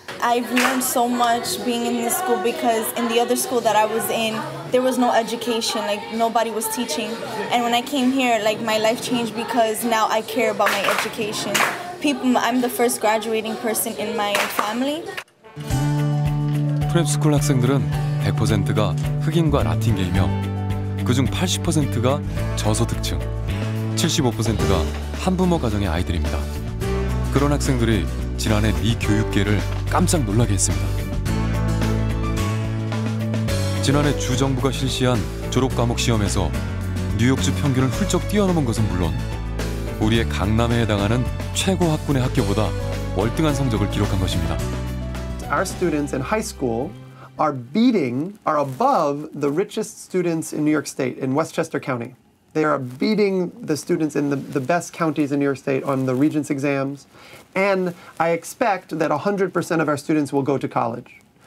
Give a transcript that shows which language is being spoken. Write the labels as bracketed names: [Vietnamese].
[English] I've learned so much being in this school because in the other school that I was in, there was no education, like nobody was teaching. And when I came here, like my life changed because now I care about my education. I'm the first graduating person in my family. [Korean] 프랩스쿨 학생들은 100%가 흑인과 라틴계이며 그중 80%가 저소득층, 75%가 한부모 가정의 아이들입니다. 그런 학생들이 지난해 미 교육계를 깜짝 놀라게 했습니다. 지난해 주 정부가 실시한 졸업과목 시험에서 뉴욕주 평균을 훌쩍 뛰어넘은 것은 물론 우리의 강남에 해당하는 최고 학군의 학교보다 월등한 성적을 기록한 것입니다. [English] Our students in high school are above the richest students in New York State, in Westchester County. They are beating the students in the best counties in New York State on the Regents exams. And I expect that 100% of our students will go to college.